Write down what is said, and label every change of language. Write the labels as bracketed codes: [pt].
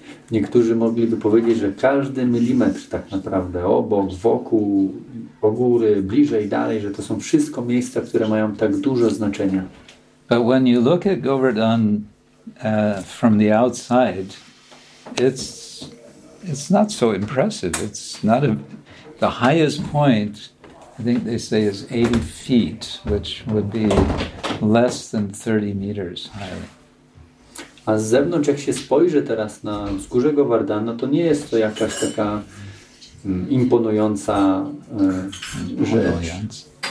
[pl] Niektórzy mogliby powiedzieć, że każdy milimetr tak naprawdę, obok, wokół, o góry, bliżej, dalej, że to są wszystko miejsca, które mają tak dużo znaczenia. [en] But when you look at Govardhan from the outside, it's not so impressive. It's not a, the highest point, I think they say, is 80 feet, which would be less than 30 meters high. [pl] A z zewnątrz, jak się spojrzy teraz na wzgórze Govardhana, to nie jest to jakaś taka imponująca rzecz.